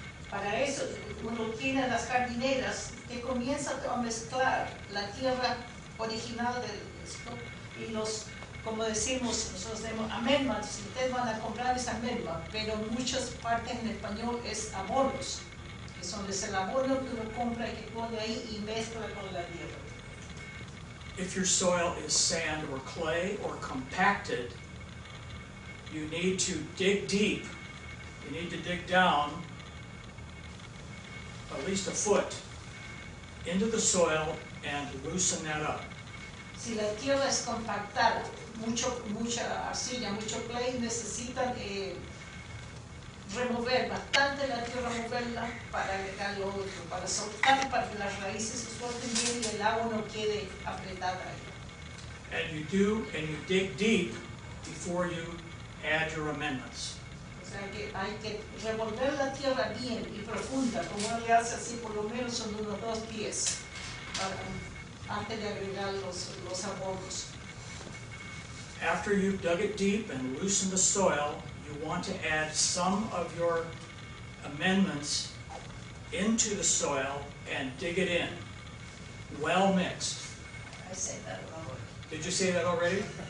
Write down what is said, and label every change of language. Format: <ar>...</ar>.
<es>Para eso, uno tiene las jardineras que comienza a mezclar la tierra original de esto y los, como decimos, nosotros tenemos amendments. Ustedes van a comprar esa amendment, pero en muchas partes en español es abonos, que son es el abono que uno compra y que pone ahí y mezcla con la tierra.</es> <en>If your soil is sand or clay or compacted, you need to dig deep. You need to dig down at least a foot into the soil and loosen that up.</en> <es>Si la tierra es compactada, mucha arcilla, mucho clay, necesitan remover bastante la tierra, moverla para agregar lo otro, para soltar, para que las raíces se suelten bien y el agua no quede apretada ahí.</es> <en>And you do, and you dig deep before you add your amendments.</en> <es>O sea, que hay que remover la tierra bien y profunda, como le hace así por lo menos en unos dos pies, para, antes de agregar los abonos.</es> <en>After you've dug it deep and loosened the soil, you want to add some of your amendments into the soil and dig it in, well mixed. I said that wrong. Did you say that already?</en>